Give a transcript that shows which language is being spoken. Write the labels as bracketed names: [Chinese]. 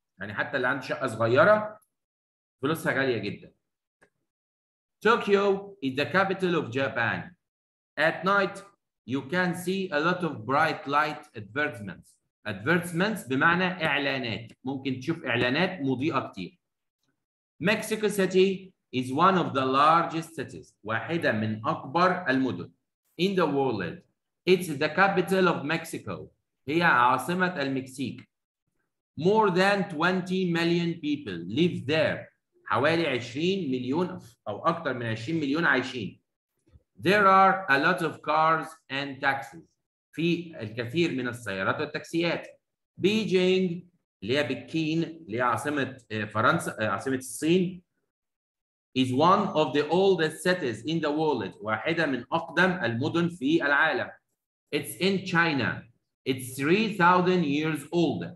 [Arabic] يعني حتى اللي عنده شقة صغيرة فلوسها غالية جدا. [English] Tokyo is the capital of Japan. At night, you can see a lot of bright light advertisements. [Arabic] Advertisements بمعنى إعلانات. ممكن تشوف إعلانات مضيئة كتير. [English] Mexico City is one of the largest cities. [Arabic] واحدة من أكبر المدن [English] in the world. It's the capital of Mexico. [Arabic] هي عاصمة المكسيك. [English] More than 20 million people live there. [Arabic] حوالي 20 مليون أو أكثر من 20 مليون عايشين. [English] There are a lot of cars and taxis. [Arabic] في الكثير من السيارات والتاكسيات. [English] Beijing اللي هي بكين اللي هي عاصمة فرنسا عاصمة الصين is one of the oldest cities in the world. [Arabic] واحدة من أقدم المدن في العالم. [English] It's in China. It's 3,000 years old.